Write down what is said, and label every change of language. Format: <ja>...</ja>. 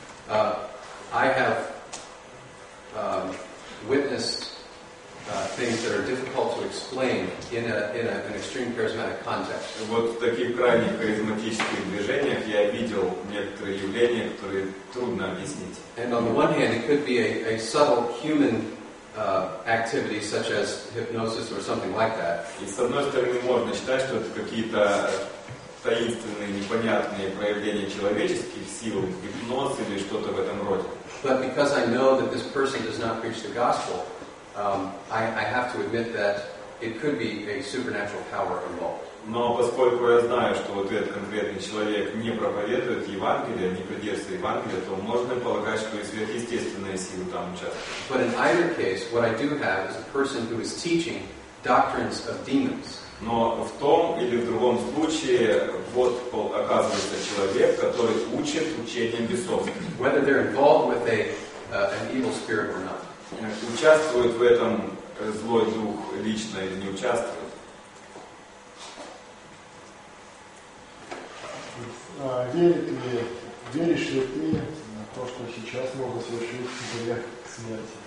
<en>I have witnessed things that are difficult to explain in an extreme charismatic context.</en> <ru>Вот в таких крайне харизматических движениях я видел некоторые явления, которые трудно объяснить.</ru> <en>And on the one hand, it could be a subtle human activity, such as hypnosis or something like that.</en> <ru>И с одной стороны можно считать, что это какие-то таинственные, непонятные проявления человеческих сил, гипноз или что-то в этом роде.</ru> <en>But because I know that this person does not preach the gospel, I have to admit that it could be a supernatural power involved.</en> <ru>Но поскольку я знаю, что вот этот конкретный человек не проповедует Евангелие, не придерживается Евангелия, то можно полагать, что и сверхъестественная сила там участвует.</ru> <en>But in either case, what I do have is a person who is teaching doctrines of demons.</en> <ru>Но в том или в другом случае, вот оказывается человек, который учит учением бесов.</ru> <en>Whether they're involved with an evil spirit or not.</en> <ru>Участвует в этом злой дух лично или не участвует? Веришь ли ты на то, что сейчас можно совершить грех к смерти?</ru>